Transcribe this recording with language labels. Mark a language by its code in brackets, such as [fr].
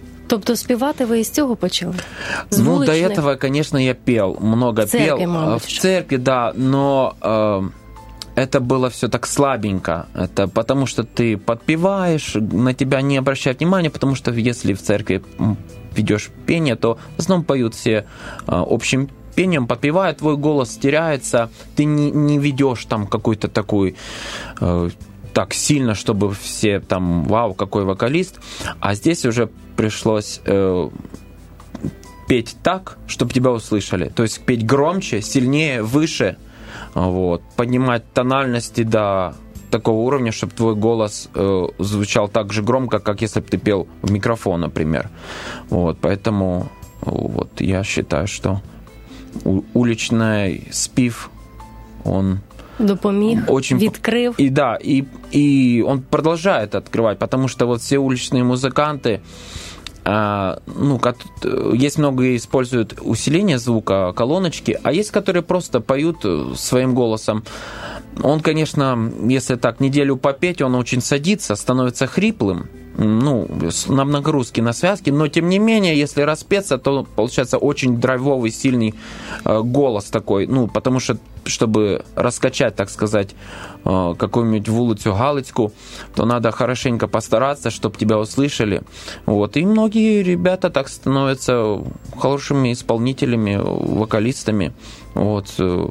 [uk] Тобто співати ви із цього почали? [ru] До этого, конечно, я пел. Много церкви, пел. [uk] Мабуть, [ru] в церкви, да. Но это было все так слабенько. Это потому что ты подпеваешь, на тебя не обращают внимания, потому что если в церкви ведешь пение, то в основном поют все общим пением, подпевают, твой голос теряется, ты не ведешь там какую-то такую... так сильно, чтобы все там: вау, какой вокалист. А здесь уже пришлось петь так, чтобы тебя услышали. То есть петь громче, сильнее, выше. Вот. Поднимать тональности до такого уровня, чтобы твой голос звучал так же громко, как если бы ты пел в микрофон, например. Вот. Поэтому вот, я считаю, что уличный спев, он... [uk] допоміг, [ru] очень... [uk] відкрив. І да, і он продовжує відкривати, тому що вот всі вуличні музиканти, є багато, використовують усилення звука, колоночки, а є, які просто поють своїм голосом. [ru] Он, конечно, если так неделю попеть, он очень садится, становится хриплым, ну, на нагрузки, на связки, но тем не менее, если распеться, то получается очень драйвовый, сильный голос такой, ну, потому что, чтобы раскачать, так сказать, какую-нибудь вулицу Галицку, то надо хорошенько постараться, чтобы тебя услышали, вот, и многие ребята так становятся хорошими исполнителями, вокалистами, вот.